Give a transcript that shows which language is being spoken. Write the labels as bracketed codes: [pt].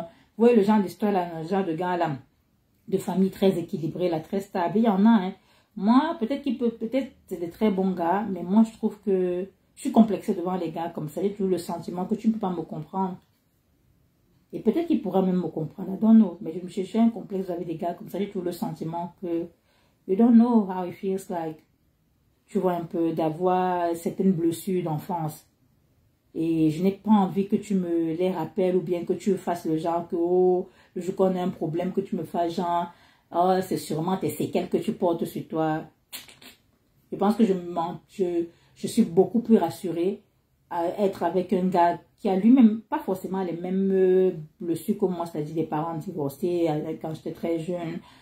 [fr] Vous voyez le genre d'histoire, là, le genre de gars là, de famille très équilibrée, là, très stable. Il y en a, hein. Moi, peut-être qu'il peut, peut-être c'est des très bons gars, mais moi, je trouve que je suis complexée devant les gars comme ça. J'ai toujours le sentiment que tu ne peux pas me comprendre. Et peut-être qu'il pourra même me comprendre. [en] I don't know. [fr] Mais je me cherchais un complexe avec des gars comme ça. J'ai toujours le sentiment que. [en] You don't know how it feels like. [fr] Tu vois, un peu d'avoir certaines blessures d'enfance. Et je n'ai pas envie que tu me les rappelles ou bien que tu fasses le genre que, oh, je connais un problème, que tu me fasses genre, oh, c'est sûrement tes séquelles que tu portes sur toi. Je pense que je suis beaucoup plus rassurée à être avec un gars qui a lui-même pas forcément les mêmes blessures que moi, c'est-à-dire des parents divorcés quand j'étais très jeune.